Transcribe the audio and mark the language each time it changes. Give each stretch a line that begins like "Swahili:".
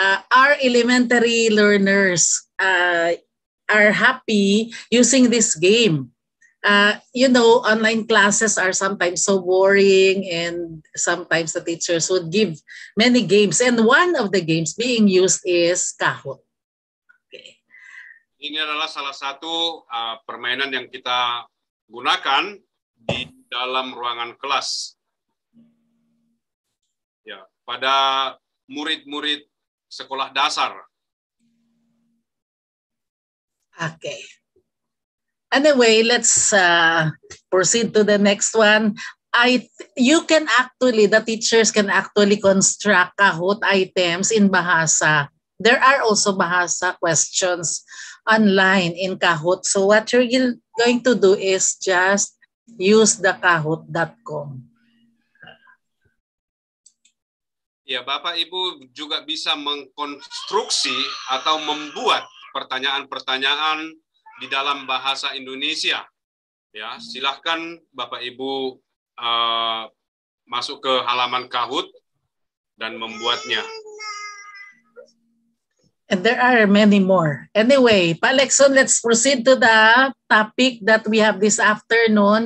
English: Our elementary learners are happy using this game. You know, online classes are sometimes so boring, and sometimes the teachers would give many games. And one of the games being used is Kahoot. Okay.
Indonesian: Ini adalah salah satu permainan yang kita gunakan di dalam ruangan kelas. Ya, pada murid-murid sekolah dasar.
English: Okay. Anyway, let's proceed to the next one. You can actually, the teachers can actually construct Kahoot items in Bahasa. There are also Bahasa questions online in Kahoot. So what you're going to do is just use the kahoot.com.
Indonesian: Ya, Bapak Ibu juga bisa mengkonstruksi atau membuat pertanyaan-pertanyaan di dalam bahasa Indonesia. Ya, silahkan Bapak Ibu masuk ke halaman Kahoot dan membuatnya.
English: And there are many more. Anyway, Pak Lexon, let's proceed to the topic that we have this afternoon.